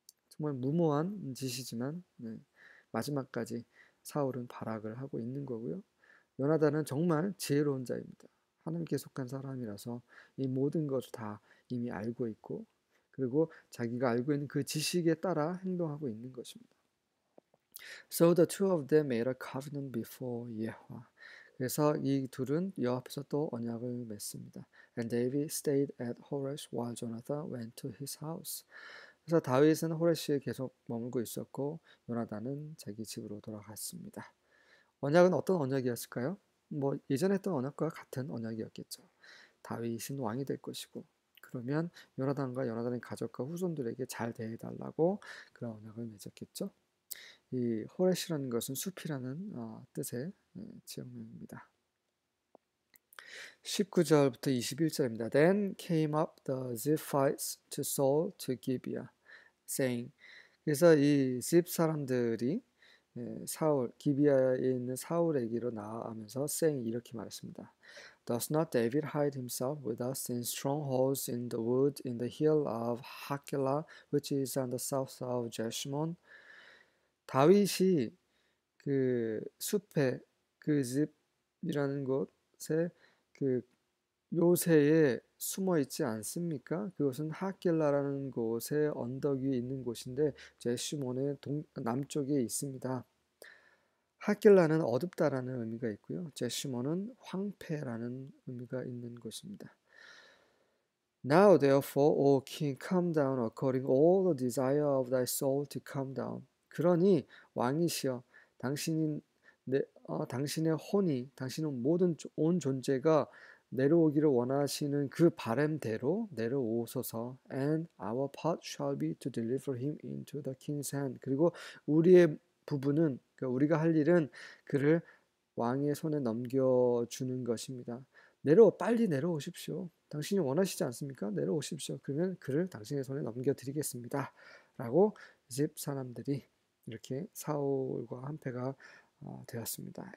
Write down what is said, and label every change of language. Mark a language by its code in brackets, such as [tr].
[ko] 정말 무모한 짓이지만 마지막까지 사울은 발악을 하고 있는 거고요. 요나단은 정말 지혜로운 자입니다. 하나님께 속한 사람이라서 이 모든 것을 다 이미 알고 있고 그리고 자기가 알고 있는 그 지식에 따라 행동하고 있는 것입니다. [en] So the two of them made a covenant before Yahweh. [ko] 그래서 이 둘은 여호와 앞에서 또 언약을 맺습니다. [en] And David stayed at Horesh while Jonathan went to his house. [ko] 그래서 다윗은 호레시에 계속 머물고 있었고 요나단은 자기 집으로 돌아갔습니다. 언약은 어떤 언약이었을까요? 뭐 예전에 했던 언약과 같은 언약이었겠죠. 다윗은 왕이 될 것이고 그러면 요나단과 요나단의 가족과 후손들에게 잘 대해달라고 그런 언약을 맺었겠죠. 이 호레시라는 것은 숲이라는 뜻의 지역명입니다. 19절부터 21절입니다. [en] Then came up the Ziphites to Saul to Gibeah, saying. [ko] 그래서 이집 사람들이 사울 기비아에 있는 사울에게로 나아가면서 saying 이렇게 말했습니다. [en] Does not David hide himself with us in strongholds in the wood in the hill of Hakila, which is on the south of Jeshimon? [ko] 다윗이 그 숲에 그 집이라는 곳에 그 요새에 숨어 있지 않습니까? 그것은 하길라라는 곳에 언덕이 있는 곳인데 제시몬의 남쪽에 있습니다. 하길라는 어둡다라는 의미가 있고요. 제시몬은 황폐라는 의미가 있는 곳입니다. [en] Now therefore, O king, come down according all the desire of thy soul to come down. [ko] 그러니 왕이시여, 당신의 혼이, 당신의 모든 온 존재가 내려오기를 원하시는 그 바람대로 내려오소서. [en] And our part shall be to deliver him into the king's hand. [ko] 그리고 우리의 부분은, 그러니까 우리가 할 일은 그를 왕의 손에 넘겨주는 것입니다. 빨리 내려오십시오. 당신이 원하시지 않습니까? 내려오십시오. 그러면 그를 당신의 손에 넘겨드리겠습니다. 라고 집 사람들이 이렇게 사울과 한패가 되었습니다.